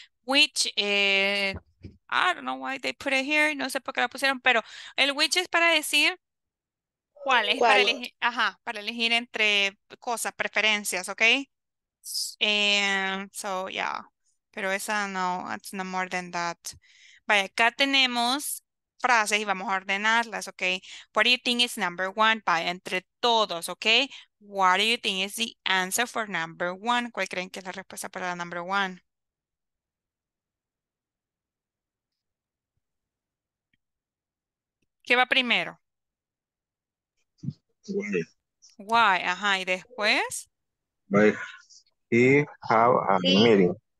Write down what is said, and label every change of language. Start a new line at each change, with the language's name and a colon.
English: Which, I don't know why they put it here.
Spanish: No sé por qué la pusieron, pero el which es para decir cuál es. Para elegir, ajá, para elegir entre cosas, preferencias, ¿ok?
English: And so, yeah.
Spanish: Pero esa no,
English: it's no more than that.
Spanish: Vaya, acá tenemos frases y vamos a ordenarlas, ¿ok?
English: What do you think is number one?
Spanish: Vaya, entre todos,
English: ¿ok? What do you think is the answer for number one?
Spanish: ¿Cuál creen que es la respuesta para la
English: number one?
Spanish: ¿Qué va primero?
English: Why. Why,
Spanish: ajá, y después?
English: He have a meeting.